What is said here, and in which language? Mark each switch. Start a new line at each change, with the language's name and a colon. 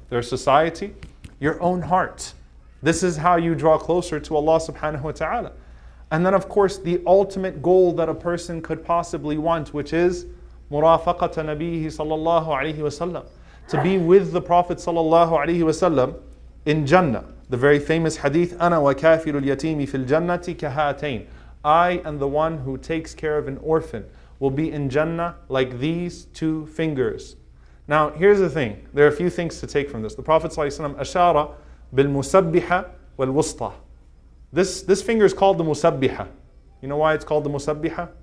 English: Their society, your own heart. This is how you draw closer to Allah subhanahu wa ta'ala. And then of course, the ultimate goal that a person could possibly want, which is
Arabic: murafaqata nabihi sallallahu alayhi wa sallam.
English: To be with the Prophet sallallahu alayhi wa sallam in Jannah. The very famous hadith,
Arabic: أنا وكافر اليتيم في الجنة كهاتين.
English: I and the one who takes care of an orphan will be in Jannah like these two fingers. Now here's the thing, there are a few things to take from this. The Prophet ﷺ
Arabic: ashara bil musabbiha wal wusta.
English: This finger is called the musabbiha. You know why it's called the musabbiha?